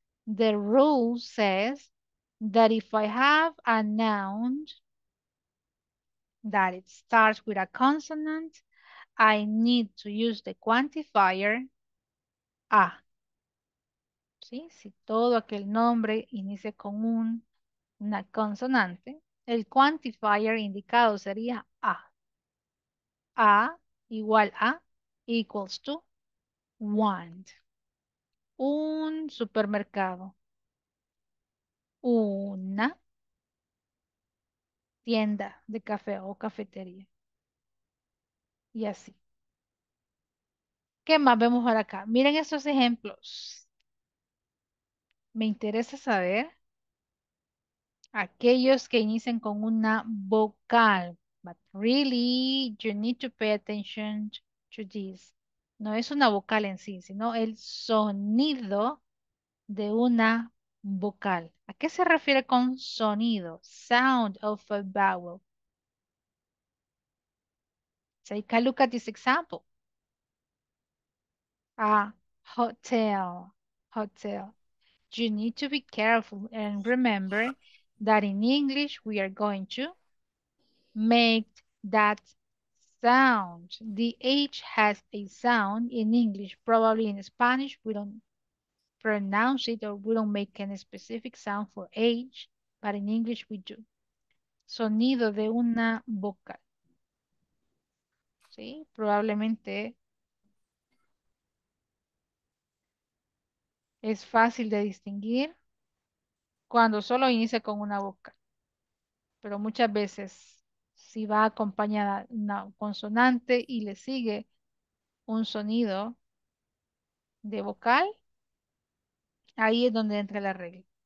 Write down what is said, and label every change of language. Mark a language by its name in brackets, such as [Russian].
[English] The rule says that if I have a noun that it starts with a consonant, I need to use the quantifier a. [Spanish] ¿Sí? Si todo aquel nombre inicia con una consonante, el quantifier indicado sería a. A igual a [English] equals to want. [Spanish] Un supermercado. Una tienda de café o cafetería. Y así. ¿Qué más vemos ahora acá? Miren estos ejemplos. Me interesa saber aquellos que inician con una vocal. [English] But really, you need to pay attention to this. [Spanish] No es una vocal en sí, sino el sonido de una vocal. ¿A qué se refiere con sonido? [English] Sound of a vowel. Take a look at this example. A hotel. Hotel. You need to be careful and remember that in English we are going to make that sound. The H has a sound in English. Probably in Spanish we don't pronounce it or we don't make any specific sound for H, but in English we do. [Spanish] Sonido de una vocal. Sí, probablemente es fácil de distinguir cuando solo inicia con una vocal. Pero muchas veces, si va acompañada una consonante y le sigue un sonido de vocal, ahí es donde entra la regla.